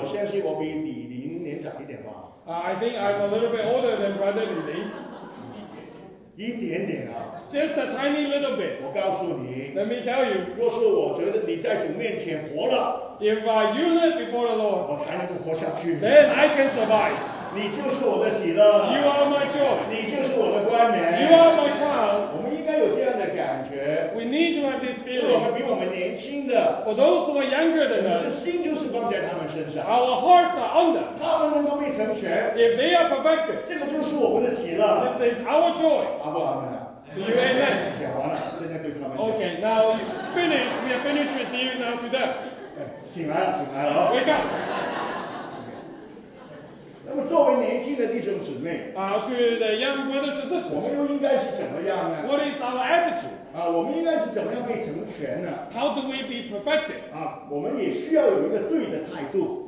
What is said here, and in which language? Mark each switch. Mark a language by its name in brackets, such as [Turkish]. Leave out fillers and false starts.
[Chinese] 我相信我比李林年长一点吧。 [English] I think I'm a little bit older than Brother 李林。 [Chinese] 一点点啊。 [English] Just a tiny little bit. [Chinese] 我告诉你。 [English] Let me tell you. [Chinese] 若是我觉得你在主面前活了。 [English] If you live before the Lord. [Chinese] 我才能够活下去。 [English] Then I can survive. [Chinese] 你就是我的喜乐。 [English] You are my joy. [Chinese] 你就是我的冠冕。 [English] You are my crown. [Chinese] 我们应该有这样的感觉。 [English] We need to have this feeling. [Chinese] 我们比我们年轻的，我都是说 younger 的呢，你的心就是放在他们身上。 [English] Our hearts are on them， [Chinese] 他们能够被成全。 [English] If they are perfected， [Chinese] 这个就是我们的喜乐。 [English] This is our joy。 [Chinese] 阿伯阿门。 [English] You amen。 [Chinese] 讲完了，现在对他们讲。 [English] Okay， now finish， we are finished with you now today。 [Chinese] 醒来了，醒来了、哦、 [English] ，Wake up。 [Chinese] 那么作为年轻的弟兄姊妹， [English] to the young brothers and sisters， [Chinese] 我们又应该是怎么样呢 [English] ？What is our attitude？ [Chinese] 我们应该是怎么样被成全呢 [English] ？How do we be perfected？ [Chinese] 我们也需要有一个对的态度。